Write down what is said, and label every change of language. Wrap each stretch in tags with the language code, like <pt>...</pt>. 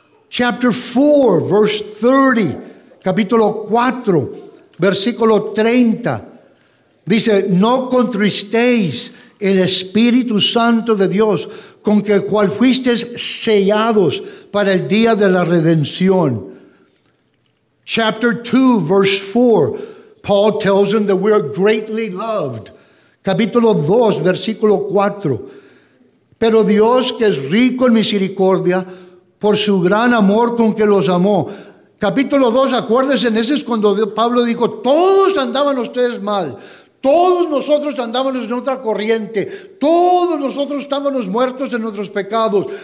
<en>Chapter 4, verse 30,</en> <es>capítulo 4, versículo 30, dice, no contristéis el Espíritu Santo de Dios, con que cual fuisteis sellados para el día de la redención.</es> <en>Chapter 2, verse 4, Paul tells them that we are greatly loved.</en> <es>Capítulo 2, versículo 4. Pero Dios, que es rico en misericordia, por su gran amor con que los amó. Capítulo 2, acuérdense, ese es cuando Pablo dijo, todos andaban ustedes mal. Todos nosotros andábamos en otra corriente. Todos nosotros estábamos muertos en nuestros pecados.</es>